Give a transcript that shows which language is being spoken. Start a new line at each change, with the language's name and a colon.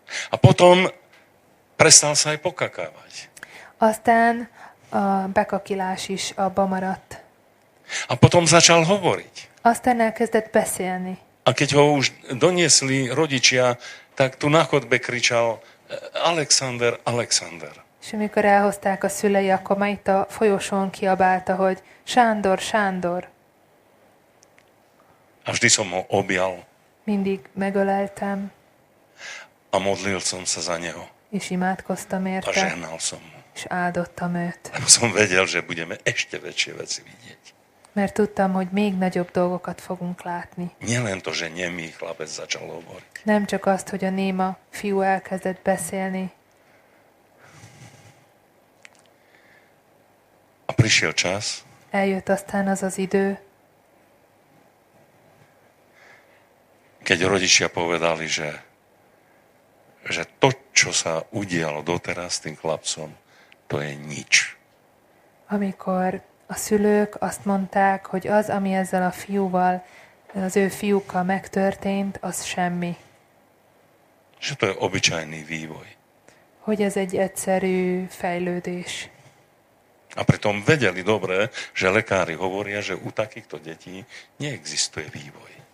Slovak: A potom prestal sa aj pokakávať.
Hungarian: Aztán bekakilás is abba maradt.
Slovak: A potom začal hovoriť.
Hungarian: Aztán elkezdett beszélni.
Slovak: A keď ho už doniesli rodičia, tak tu na chodbe kričal Alexander, Alexander.
Hungarian: És amikor elhozták a szülei, akkor már itt a folyosón kiabálta, hogy Sándor, Sándor.
Slovak: A vždy som ho objal.
Hungarian: Mindig megöleltem.
Slovak: A modlil som sa za neho.
Hungarian: És imádkoztam érte.
Slovak: A žehnal som.
Hungarian: És áldottam őt.
Slovak: Lebo som vedel, že budeme ešte väčšie veci vidieť.
Hungarian: Mert tudtam, hogy még nagyobb dolgokat fogunk látni.
Slovak: Nielen to, že nemý chlapec začal hovoriť.
Hungarian: Nem csak azt, hogy a néma fiú elkezdett beszélni.
Slovak: A prišiel čas.
Hungarian: Eljött aztán az az idő.
Slovak: Keď rodičia povedali, že to, čo sa udialo doteraz tým chlapcom, to je nič.
Hungarian: Amikor a szülők azt mondták, hogy az, ami ezzel a fiúval, az ő fiúkkal megtörtént, az semmi. És
Slovak: to je obyčajný vývoj.
Hungarian: Hogy ez egy egyszerű fejlődés.
Slovak: A pritom vedeli dobre, že lekári hovoria, že u takýchto detí neexistuje vývoj.